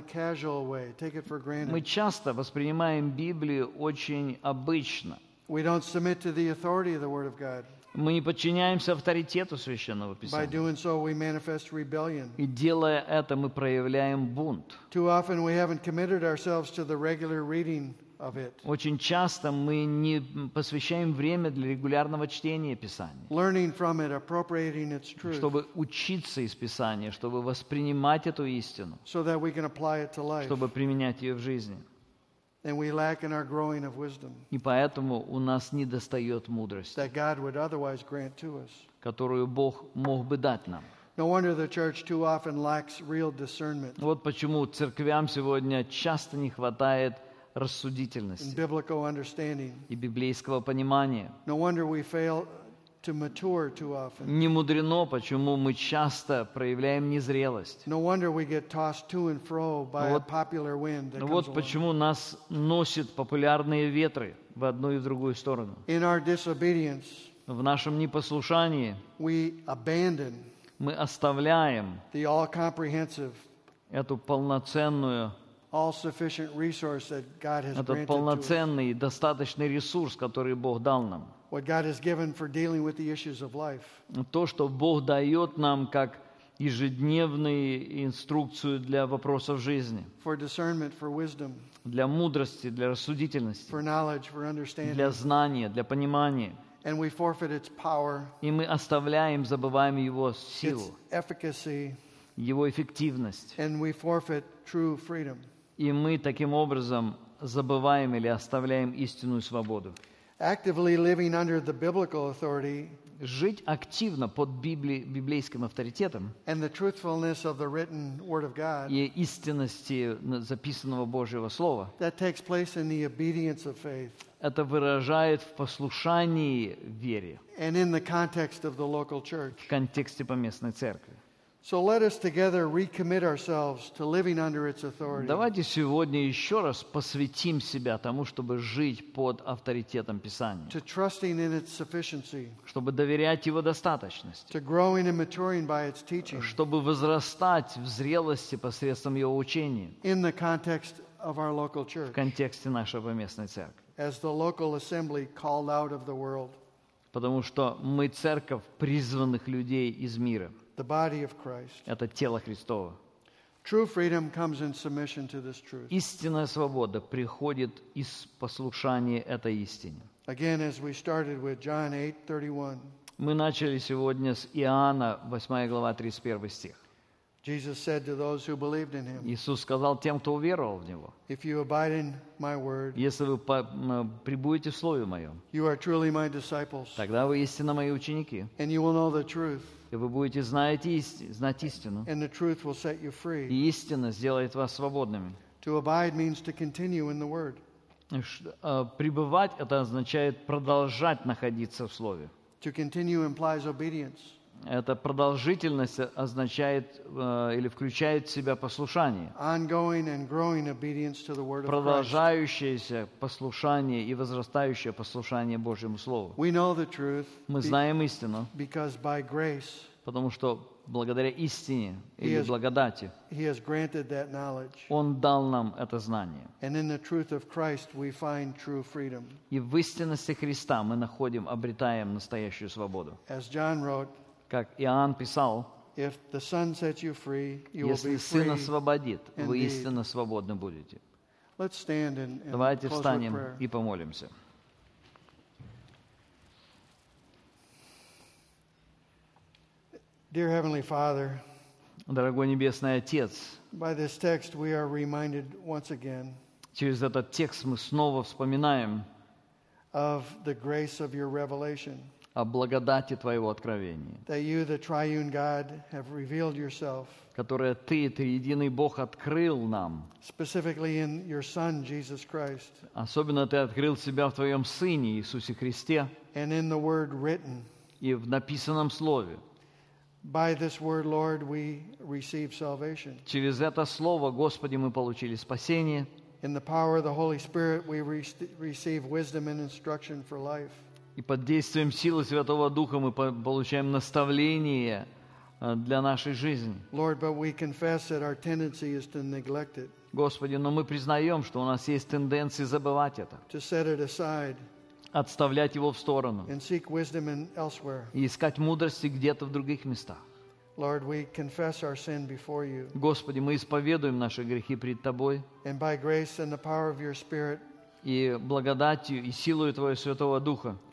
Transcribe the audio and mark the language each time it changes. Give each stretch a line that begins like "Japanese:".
Russian: Мы часто воспринимаем Библию очень обычно.
English: We don't submit to the authority of the Word of God.
Russian: Мы не подчиняемся авторитету Священного Писания.
English: By doing so, we manifest rebellion.
Russian: И делая это, мы проявляем бунт.
English: Too often, we haven't committed ourselves to the regular reading of it.
Russian: Очень часто мы не посвящаем время для регулярного чтения Писания.
English: Learning from it, appropriating its truth.
Russian: Чтобы учиться из Писания, чтобы воспринимать эту истину.
English: So that we can apply it to life.
Russian: Чтобы применять ее в жизни.
English: And we lack in our growing of wisdom.
Russian: И поэтому у нас недостает мудрости,
English: that God would otherwise grant to us.
Russian: Которую Бог мог бы дать нам.
English: No wonder the church too often lacks real discernment.
Russian: Вот почему церквям сегодня часто не хватает рассудительности
English: and biblical understanding.
Russian: И библейского понимания.
English: No wonder we fail to mature too often.
Russian: Не мудрено, почему мы часто проявляем незрелость.
English: No wonder we get tossed to and fro by a popular wind.
Russian: Ну вот почему нас носят популярные ветры в одну и в другую сторону.
English: In our disobedience,
Russian: в нашем непослушании,
English: we abandon,
Russian: мы оставляем
English: the all-comprehensive,
Russian: эту полноценную.
English: All-sufficient resource that God has granted to us.
Russian: Полноценный и достаточный ресурс, который Бог дал нам.
English: What God has given for dealing with the issues of life.
Russian: То, что Бог дает нам как ежедневную инструкцию для вопросов жизни.
English: For discernment, for wisdom.
Russian: Для мудрости, для рассудительности.
English: For knowledge, for understanding.
Russian: Для знания, для понимания.
English: And we forfeit its power.
Russian: И мы оставляем, забываем его силу.
English: Its efficacy.
Russian: Его эффективность.
English: And we forfeit true freedom.
Russian: И мы таким образом забываем или оставляем истинную свободу.
English: Actively living under the biblical authority.
Russian: Жить активно под библейским авторитетом.
English: And the truthfulness of the written word of God.
Russian: И истинности записанного Божьего слова.
English: That takes place in the obedience of faith.
Russian: Это выражает в послушании вере.
English: And in the context of the local church.
Russian: В контексте поместной церкви.
English: So let us together recommit ourselves to living under its authority.
Russian: Давайте сегодня еще раз посвятим себя тому, чтобы жить под авторитетом Писания.
English: To trusting in its sufficiency.
Russian: Чтобы доверять его достаточности.
English: To growing and maturing by its teaching.
Russian: Чтобы возрастать в зрелости посредством его учения.
English: In the context of our local church.
Russian: В контексте нашей поместной церкви.
English: As the local assembly called out of the world.
Russian: Потому что мы церковь призванных людей из мира.
English: The body of Christ.
Russian: Это тело Христово.
English: True freedom comes in submission to this truth.
Russian: Истинная свобода приходит из послушания этой истине.
English: Again, as we started with John 8:31.
Russian: Мы начали сегодня с Иоанна, 8 глава, 31 стих.
English: Jesus said to those who believed in him.
Russian: Иисус сказал тем, кто уверовал в него.
English: If you abide in my word.
Russian: Если вы пребудете в слове моем.
English: You are truly my disciples.
Russian: Тогда вы истинно мои ученики.
English: And you will know the truth.
Russian: И вы будете знать истину.
English: And the truth will set you free.
Russian: И истина сделает вас свободными.
English: To abide means to continue in the word.
Russian: Пребывать это означает продолжать находиться в слове.
English: To continue implies obedience.
Russian: Эта продолжительность означает или включает в себя послушание.
English: Ongoing and growing obedience to the word of Christ.
Russian: Продолжающееся послушание и возрастающее послушание Божьему Слову.
English: We know the truth.
Russian: Мы знаем истину.
English: Because by grace.
Russian: Потому что благодаря истине или благодати.
English: He has granted that knowledge.
Russian: Он дал нам это знание.
English: And in the truth of Christ we find true freedom.
Russian: И в истинности Христа мы находим, обретаем настоящую свободу.
English: As John wrote,
Russian: как Иоанн писал,
English: if the Son sets you free, you will be free.
Russian: Если Сын освободит, вы истинно свободны будете.
English: Let's stand and close with prayer.
Russian: Давайте встанем и помолимся.
English: Dear Heavenly Father,
Russian: дорогой небесный отец,
English: by this text we are reminded once again.
Russian: Через этот текст мы снова вспоминаем
English: of the grace of your revelation.
Russian: О благодати твоего откровения.
English: That you, the triune God, have revealed yourself.
Russian: Которое ты, триединый Бог, открыл нам.
English: Specifically in your Son Jesus Christ.
Russian: Особенно ты открыл себя в твоем Сыне Иисусе Христе.
English: And in the Word written.
Russian: И в написанном слове.
English: By this word, Lord, we receive salvation.
Russian: Через это слово, Господи, мы получили спасение.
English: In the power of the Holy Spirit, we receive wisdom and instruction for life.
Russian: И под действием силы Святого Духа мы получаем наставление для нашей жизни.
English: Lord, but we confess that our tendency is to neglect it.
Russian: Господи, но мы признаем, что у нас есть тенденция забывать это.
English: To set it aside.
Russian: Отставлять его в сторону.
English: And seek wisdom in elsewhere.
Russian: И искать мудрости где-то в других местах.
English: Lord, we confess our sin before you.
Russian: Господи, мы исповедуем наши грехи пред Тобой.
English: And by grace and the power of your Spirit,
Russian: и благодатью и силою Твоего Святого Духа,